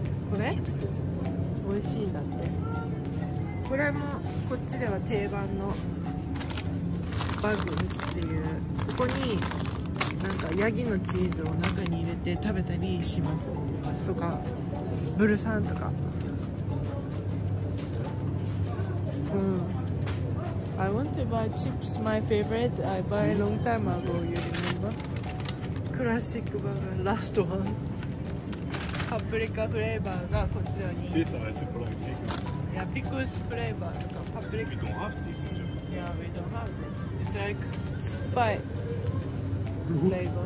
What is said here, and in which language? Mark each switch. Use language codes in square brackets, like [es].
[ja] これ？美味しいんだって。これもこっちでは定番のバグルスっていう、ここになんかヤギのチーズを中に入れて食べたりしますとか、ブルサンとか。 [en] うん、I want to buy chips, my favorite. I buy a long time ago, you remember? [ja] クラシックバーガー、ラストワン。パプリカフレーバーがこっちらに。 [en] This ice is like pickles. Yeah, pickles flavor. [ja] とかパプリカ。 [en] We don't have this in Japan. Yeah, we don't have this. It's like 酸っぱい flavor.